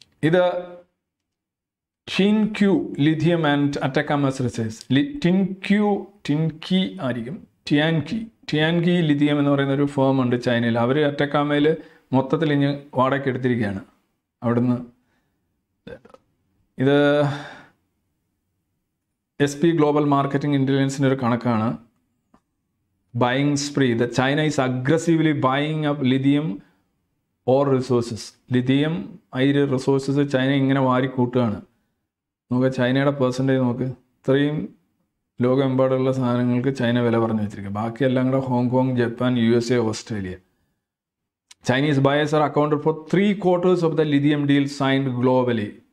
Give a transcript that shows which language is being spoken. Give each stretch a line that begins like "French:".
Malayalam: ഇത് ടിൻക്യൂ lithium and അറ്റക്കാമസ് റിസേഴ്സ്, ടിൻക്യൂ ടിൻകി ആയിരിക്കും, ടിയാൻകി lithium എന്ന് പറയുന്നൊരു ഫേമുണ്ട് ചൈനയിൽ. അവർ അറ്റക്കാമയിൽ മൊത്തത്തിൽ ഇഞ്ഞ് വാടക എടുത്തിരിക്കുകയാണ് അവിടുന്ന്. ഇത് SP ഗ്ലോബൽ മാർക്കറ്റിംഗ് ഇൻ്റലിജൻസിൻ്റെ ഒരു കണക്കാണ്.
English: buying spree, that China is aggressively buying up lithium ore resources.
Malayalam: Lithium ore resources China ഇങ്ങനെ വാരി കൂട്ടുകയാണ്. നമുക്ക് ചൈനയുടെ പെർസെൻറ്റേജ് നോക്ക്, ഇത്രയും ലോകമെമ്പാടുള്ള സാധനങ്ങൾക്ക് ചൈന വില പറഞ്ഞു വെച്ചിരിക്കുക. ബാക്കിയെല്ലാം കൂടെ Hong Kong, Japan, U S A, Australia.
English: Chinese buyers are accounted for 3/4 of the lithium deal signed globally.